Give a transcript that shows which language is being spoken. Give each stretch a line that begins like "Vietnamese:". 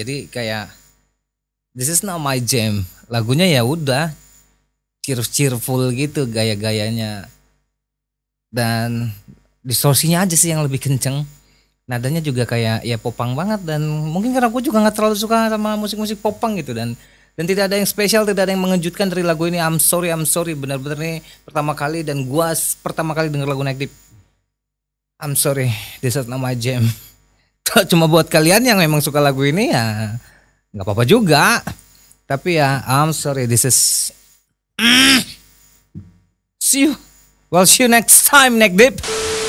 Indonesian: Jadi kayak
English: this is not my jam.
Indonesian: Lagunya ya udah cheerful gitu gaya-gayanya, dan distorsinya aja sih yang lebih kenceng. Nadanya juga kayak ya popang banget, dan mungkin karena gue juga gak terlalu suka sama musik-musik popang gitu. Dan tidak ada yang spesial, tidak ada yang mengejutkan dari lagu ini.
English: I'm sorry,
Indonesian: benar-benar nih pertama kali, dan gue pertama kali denger lagu Neck Deep.
English: I'm sorry, this is not my jam.
Indonesian: Cuma buat kalian yang memang suka lagu ini ya gak apa-apa juga. Tapi ya
English: I'm sorry, this is see you. Well, see you next time, Neck Deep.